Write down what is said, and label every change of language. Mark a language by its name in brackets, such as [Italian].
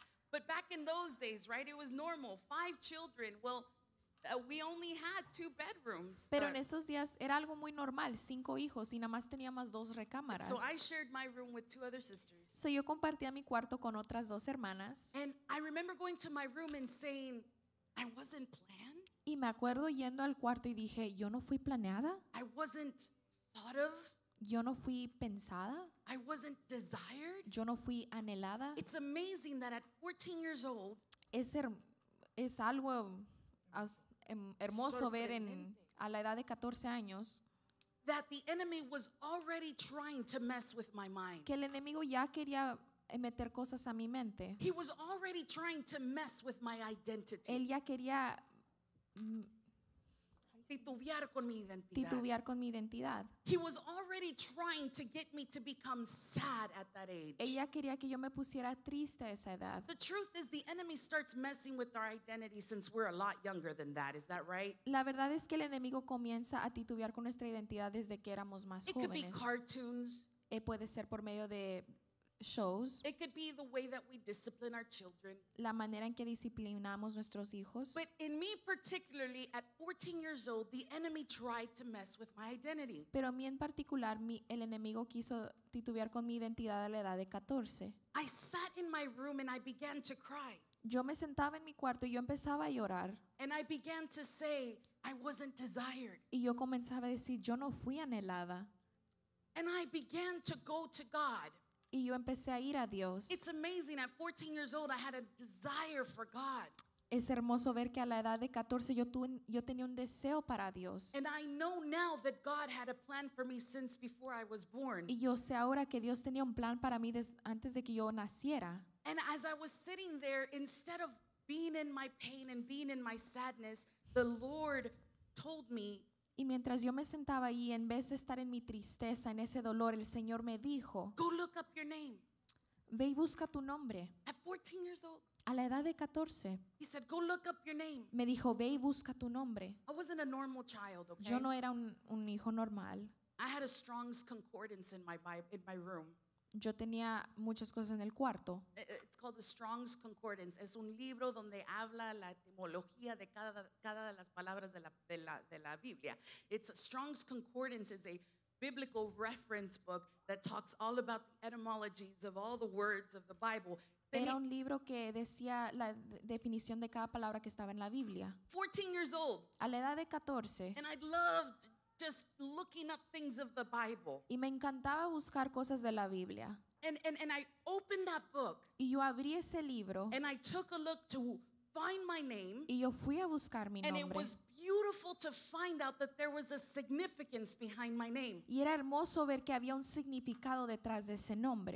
[English] But back in those days, right, it was normal. 5 children, well, we only had 2 bedrooms. [Spanish] Pero en esos días era algo muy normal, 5 hijos y nada más teníamos 2 recámaras. [English] So I shared my room with 2 other sisters. [Spanish] So yo compartía mi cuarto con otras 2 hermanas. [English] And I remember going to my room and saying, I wasn't planned. [Spanish] Y me acuerdo yendo al cuarto y dije, yo no fui planeada. [English] I wasn't thought of. [Spanish] Yo no fui pensada. [English] I wasn't desired. [Spanish] Yo no fui anhelada. [English] It's amazing that at 14 years old. [Spanish] Es algo hermoso ver en a la edad de 14 años [English] that the enemy was already trying to mess with my mind. [Spanish] Que el enemigo ya quería meter cosas a mi mente. [English] He was already trying to mess with my identity. [Spanish] Él ya quería titubear con mi identidad. Titubear con mi identidad. [English] He was already trying to get me to become sad at that age. [Spanish] Ella quería que yo me pusiera triste a esa edad. [English] The truth is the enemy starts messing with our identity since we're a lot younger than that. Is that right? [Spanish] La verdad es que el enemigo comienza a titubear con nuestra identidad desde que éramos más jóvenes. [English] It could be cartoons. [Spanish] Puede ser por medio de shows. [English] It could be the way that we discipline our children. [Spanish] La manera en que disciplinamos nuestros hijos. [English] But in me particularly, at 14 years old, the enemy tried to mess with my identity. [Spanish] Pero a mí en particular, el enemigo quiso titubear con mi identidad a la edad de 14. [English] I sat in my room and I began to cry. [Spanish] Yo me sentaba en mi cuarto y yo empezaba a llorar. [English] And I began to say, I wasn't desired. [Spanish] Y yo comenzaba a decir, yo no fui anhelada. [English] And I began to go to God. [Spanish] Y yo empecé a ir a Dios. [English] It's amazing, at 14 years old, I had a desire for God. [Spanish] Es hermoso ver que a la edad de 14 yo tenía un deseo para Dios. [English] And I know now that God had a plan for me since before I was born. [Spanish] Y yo sé ahora que Dios tenía un plan para mí antes de que yo naciera. [English] And as I was sitting there, instead of being in my pain and being in my sadness, the Lord told me. [Spanish] Y mientras yo me sentaba ahí, en vez de estar en mi tristeza, en ese dolor, el Señor me dijo, [English] go look up your name. [Spanish] Ve y busca tu nombre. [English] At 14 years old. [Spanish] A la edad de 14. [English] He said, go look up your name. [Spanish] Me dijo, ve y busca tu nombre. [English] I wasn't a normal child, okay? [Spanish] Yo no era un hijo normal. [English] I had a Strong's concordance in my room. [Spanish] Yo tenía muchas cosas en el cuarto. [English] It's called the Strong's Concordance. [Spanish] Es un libro donde habla la etimología de cada de las palabras de la Biblia. [English] It's Strong's Concordance is a biblical reference book that talks all about the etymologies of all the words of the Bible. [Spanish] Era un libro que decía la definición de cada palabra que estaba en la Biblia. [English] 14 years old. [Spanish] A la edad de 14. [English] And I loved just looking up things of the Bible. [Spanish] Y me encantaba buscar cosas de la Biblia. [English] And I opened that book. [Spanish] Y yo abrí ese libro. [English] And I took a look to find my name. [Spanish] Y yo fui a buscar mi [English] and [Spanish] nombre. [English] It was beautiful to find out that there was a significance behind my name. [Spanish] Y era hermoso ver que había un significado detrás de ese nombre.